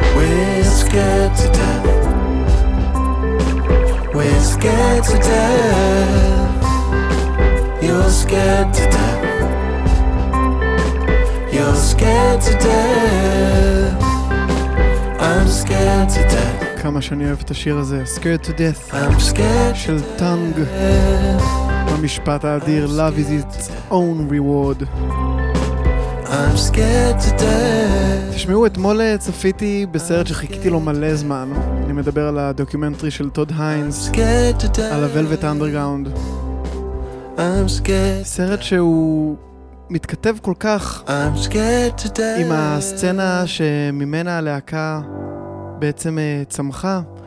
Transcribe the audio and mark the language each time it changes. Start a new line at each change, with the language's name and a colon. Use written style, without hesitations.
English: We're scared to death, we're scared to death. You're scared to death, you're scared to death. I'm scared to death.
Hebrew: כמה שאני אוהב את השיר הזה, Scared to Death,
English: I'm scared
Hebrew: של טאנג, במשפט האדיר, Love is its own reward.
English: I'm scared to death.
Hebrew: תשמעו, אתמול צפיתי בסרט שחיכיתי לו מלא זמן. אני מדבר על הדוקומנטרי של טוד היינס, על הוולווט אנדרגאונד. סרט שהוא מתכתב כל כך עם הסצנה שממנה הלהקה בעצם צמחה.